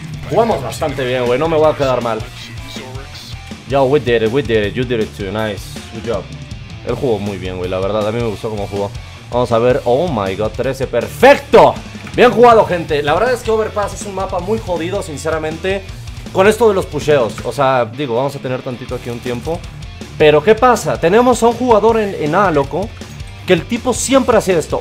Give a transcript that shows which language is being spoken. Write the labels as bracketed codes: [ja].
[es] Jugamos bastante bien, güey. No me voy a quedar mal. [en] Yo, we did it, you did it too, nice. Good job. [es] Él jugó muy bien, güey, la verdad, a mí me gustó cómo jugó. Vamos a ver, [en] oh my god, [es] 13, perfecto. Bien jugado, gente. La verdad es que Overpass es un mapa muy jodido, sinceramente. Con esto de los pusheos. O sea, digo, vamos a tener tantito aquí un tiempo. Pero, ¿qué pasa? Tenemos a un jugador en A, loco, que el tipo siempre hacía esto.